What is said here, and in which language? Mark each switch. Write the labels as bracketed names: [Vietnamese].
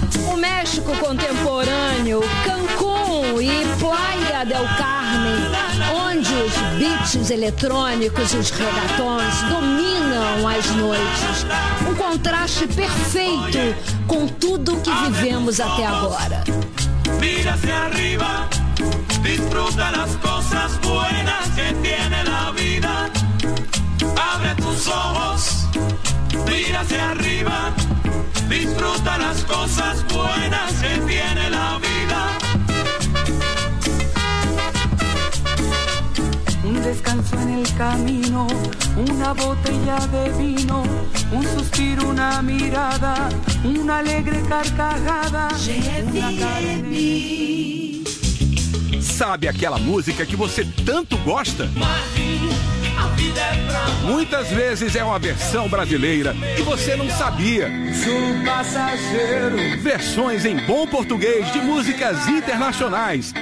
[Portuguese] O México contemporâneo, Cancún e Playa del Carmen, onde os beats eletrônicos e os reggaetons dominam as noites. Um contraste perfeito com tudo o que vivemos até agora. [Spanish] Mira hacia arriba, disfruta las cosas buenas que tiene la vida. Abre tus ojos, mira hacia arriba, disfruta las cosas buenas que tiene la vida. Un descanso en el camino, una botella de vino, un suspiro, una mirada, una alegre carcajada. [Portuguese] Sabe aquela música que você tanto gosta? Muitas vezes é uma versão brasileira que você não sabia. Versões em bom português de músicas internacionais.